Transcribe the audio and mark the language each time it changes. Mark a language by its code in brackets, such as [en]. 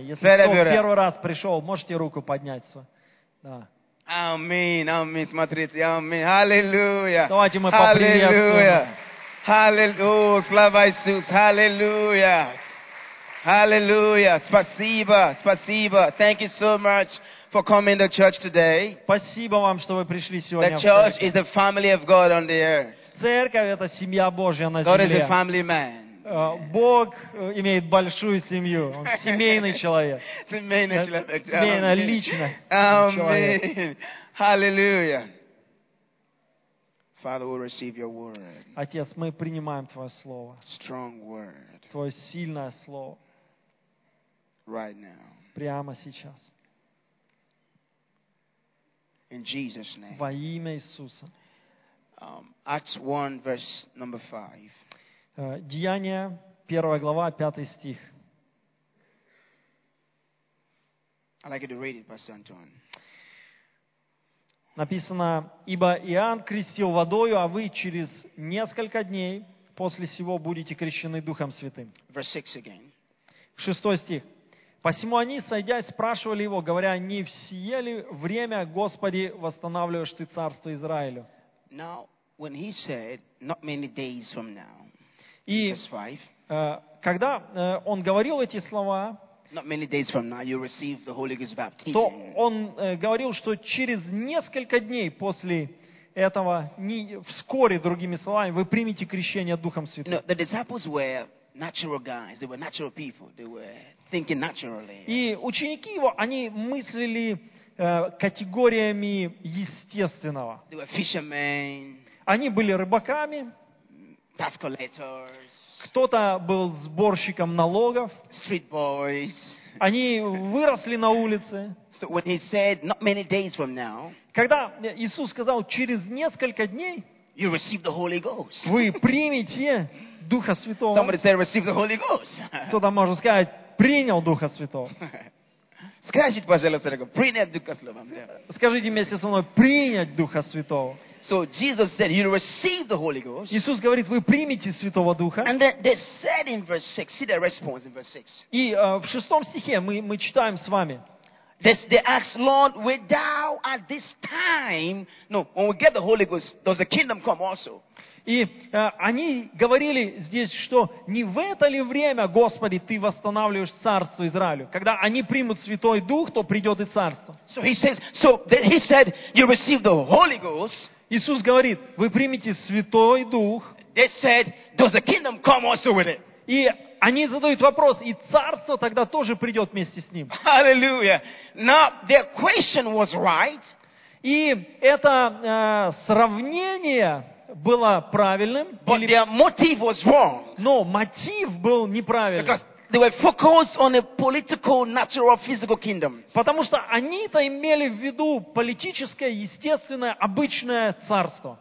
[ru] Если кто первый раз пришел, можете руку поднять. Да. Аминь, аминь, смотрите, аминь, аллилуйя. Давайте мы поприветствуем. Аллилуйя, слава Иисус, аллилуйя. Аллилуйя, спасибо, спасибо. [en] Thank you so much for coming to church today. [ru] Спасибо вам, что вы пришли сегодня. [en] The church is the family of God on the earth. [ru] Церковь — это семья Божья на земле. [en] God is a family man. [ru] Бог имеет большую семью. Он семейный человек. Семейный человек. Семейная личность. [en] Аминь. Аллилуйя. Father, we receive your word. [ru] Отец, мы принимаем Твое Слово. [en] Strong word. [ru] Твое сильное Слово. [en] Right now. [ru] Прямо сейчас. [en] In Jesus' name. [ru] Во имя Иисуса. [en] Acts 1, verse number 5. [ru] Деяния, 1 глава, 5 стих. [en] I'd like you to read it, Pastor Antoine. [ru] Написано: «Ибо Иоанн крестил водою, а вы через несколько дней после сего будете крещены Духом Святым». [en] Verse 6 again. [ru] 6 стих. «Посему они, сойдясь, спрашивали его, говоря, не в сие ли время, Господи, восстанавливаешь ты царство Израилю?» [en] Now, when he said, not many days from now, [ru] и когда он говорил эти слова, то он говорил, что через несколько дней после этого, вскоре, другими словами, вы примете крещение Духом Святым. [en] No, the disciples were natural guys. They were natural people. They were thinking naturally. [ru] И ученики его, они мыслили категориями естественного. [en] They were fishermen. [ru] Они были рыбаками. [en] Tax collectors. [ru] Кто-то был сборщиком налогов. [en] Street boys. [ru] Они выросли на улице. [en] So when he said, not many days from now, [ru] когда Иисус сказал, через несколько дней [en] you receive the Holy Ghost. [ru] Вы примете Духа Святого. [en] Somebody said, receive the Holy Ghost. [ru] Кто-то может сказать, принял Духа Святого. Скажите, пожалуйста, принять Духа Святого. Скажите вместе со мной, принять Духа Святого. [en] So Jesus said, "You receive the Holy Ghost." [ru] Иисус говорит, вы примете Святого Духа. [en] And they said in verse 6, see their response in verse 6. [ru] И в шестом стихе мы читаем с вами. [en] They ask, Lord, will thou at this time? No, when we get the Holy Ghost, does the kingdom come also? [ru] И они говорили здесь, что не в это ли время, Господи, ты восстанавливаешь царство Израилю? Когда они примут Святой Дух, то придет и царство. [en] So he says, so he said, you receive the Holy Ghost. [ru] Иисус говорит, вы примете Святой Дух. [en] They said, does the kingdom come also with it? [ru] И они задают вопрос, и царство тогда тоже придет вместе с ним. [en] Hallelujah. Now their question was right. [ru] И это сравнение было правильным, [en] but their motive was wrong. [ru] Но мотив был неправильным. [en] Because they were focused on a political, natural, physical kingdom. [ru] Потому что они-то имели в виду политическое, естественное, обычное царство.